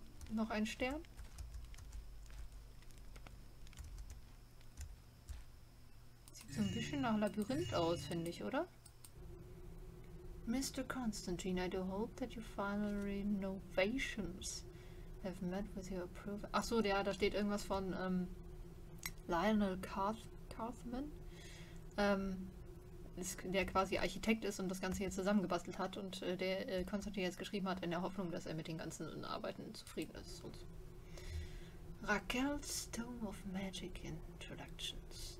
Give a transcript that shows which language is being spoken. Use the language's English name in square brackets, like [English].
[German] Noch ein Stern. Sieht so ein bisschen nach Labyrinth aus, finde ich, oder? [English] Mr. Constantine, I do hope that your final renovations have met with your approval. [German] Achso, ja, da steht irgendwas von Lionel Carthman, der quasi Architekt ist und das Ganze hier zusammengebastelt hat und der Constantine jetzt geschrieben hat, in der Hoffnung, dass er mit den ganzen Arbeiten zufrieden ist. Und Raquel's Tome of Magic Introductions.